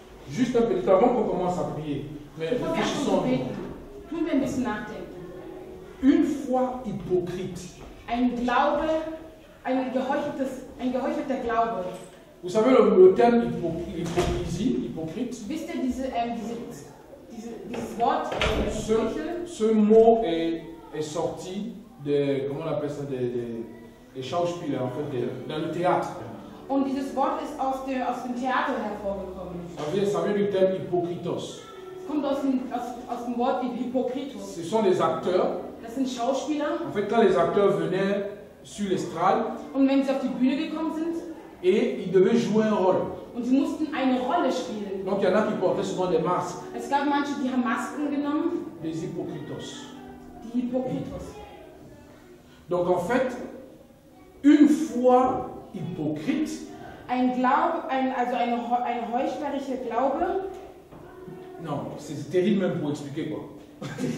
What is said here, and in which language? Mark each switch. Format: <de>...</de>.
<fr>Juste un petit, avant qu'on commence à prier. Mais réfléchissons.</fr> <de>Tun wir ein bisschen nachdenken.</de> <fr>Une foi hypocrite.</fr> <de>Ein Glaube, ein geheucheltes Glaube.</de> <fr>Vous savez le terme hypocrisie, hypocrite?</fr> <de>Wisst ihr dieses Wort?</de> <fr>Ce mot est sorti de, comment on appelle ça, des Schauspieler, en fait, dans le théâtre.</fr> <de>Und dieses Wort ist aus dem Theater hervorgekommen.</de> <fr>Ça vient du terme hypocritos.</fr> <de>Kommt aus dem Wort hypocritos.</de> <fr>Ce sont des acteurs.</fr> <de>Das sind Schauspieler.</de> <fr>En fait, quand les acteurs venaient sur l'estrade,</fr> <de>und wenn sie auf die Bühne gekommen sind,</de> <fr>et ils devaient jouer un rôle.</fr> <de>Und sie mussten eine Rolle spielen.</de> <fr>Donc, il y en a qui portaient souvent des masques.</fr> <de>Es gab manche, die haben Masken genommen.</de> <fr>Des hypocritos.</fr> <de>Die hypocritos.</de> <fr>Donc, en fait, une foi hypocrite.</fr> <de>Ein Glaube, ein heuchlerischer Glaube.</de> <fr>Non, c'est terrible même pour expliquer quoi.</fr>